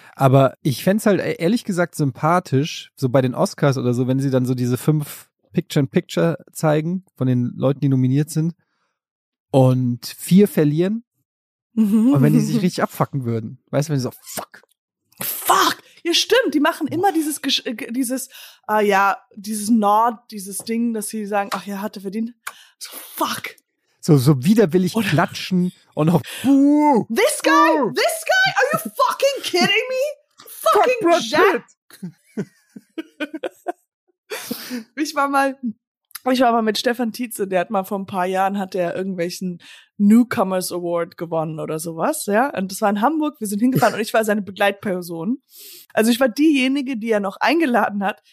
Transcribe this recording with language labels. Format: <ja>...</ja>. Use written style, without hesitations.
<de>Aber ich fände es halt ehrlich gesagt sympathisch, so bei den Oscars oder so, wenn sie dann so diese 5 Picture-in-Picture zeigen von den Leuten, die nominiert sind und 4 verlieren und wenn die sich richtig abfucken würden. Weißt du, wenn die so, fuck. Ja, stimmt, die machen immer dieses Ding, dass sie sagen, ach ja, hat er verdient. So, fuck. So widerwillig oder klatschen und auch,</de> <en>This guy, are you fucking kidding me? Fucking fuck shit.</en> <de>Ich war mal mit Stefan Tietze, der hat mal vor ein paar Jahren hat er irgendwelchen Newcomers Award gewonnen oder sowas, ja. Und das war in Hamburg, wir sind hingefahren und ich war seine Begleitperson. Also ich war diejenige, die er noch eingeladen hat.</de>